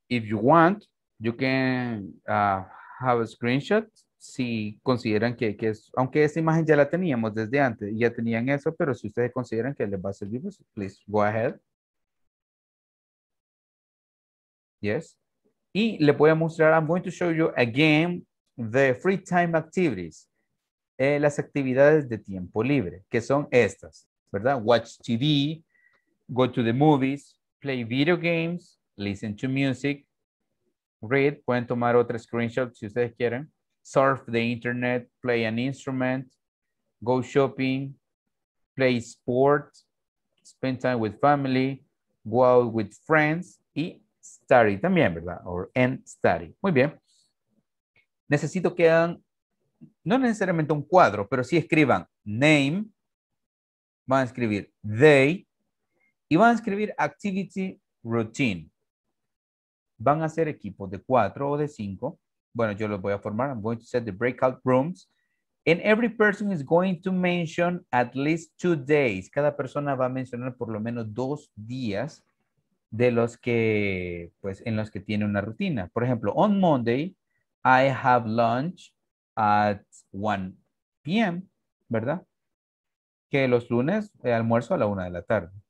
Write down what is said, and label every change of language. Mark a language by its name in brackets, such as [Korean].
[English] If you want, you can have a screenshot. [Spanish] Si consideran que es, aunque esa imagen ya la teníamos desde antes, ya tenían eso, pero si ustedes consideran que les va a servir, pues, [English] please go ahead. Yes. [Spanish] Y le voy a mostrar, [English] I'm going to show you again the free time activities. [Spanish] Las actividades de tiempo libre, que son estas, ¿verdad? [English] Watch TV, go to the movies, play video games, listen to music, read, [Spanish] pueden tomar otra screenshot si ustedes quieren. [English] Surf the internet, play an instrument, go shopping, play sports, spend time with family, go out with friends, y study [Spanish] también, ¿verdad? [English] Or and study. [Spanish] Muy bien. Necesito que hagan, no necesariamente un cuadro, pero sí escriban name, van a escribir day, y van a escribir activity routine. Van a ser equipos de 4 o de 5. Bueno, yo los voy a formar. [English] I'm going to set the breakout rooms. And every person is going to mention at least 2 days. [Spanish] Cada persona va a mencionar por lo menos 2 días de los que, pues, en los que tiene una rutina. Por ejemplo, [English] on Monday, I have lunch at 1 p.m., [Spanish] ¿verdad? Que los lunes, almuerzo a la 1 de la tarde.